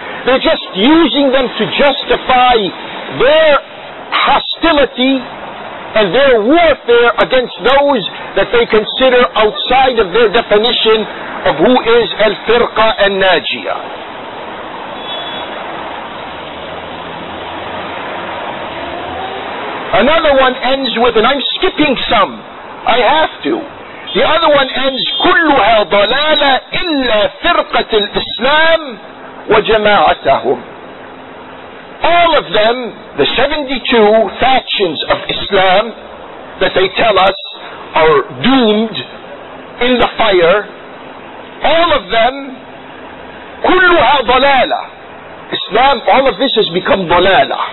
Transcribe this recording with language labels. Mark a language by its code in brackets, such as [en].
[en] They're just using them to justify their hostility and their warfare against those that they consider outside of their definition of who is al-firqa and najiya. Another one ends with, and I'm skipping some, I have to. The other one ends, [ar] كُلُّهَا ضَلَالَ إِلَّا فِرْقَةِ الْإِسْلَامِ وَجَمَاعَتَهُمْ. [en] All of them, the 72 factions of Islam that they tell us are doomed in the fire, all of them, [ar] كُلُّهَا ضَلَالَ. [en] Islam, all of this has become ضَلَالَ.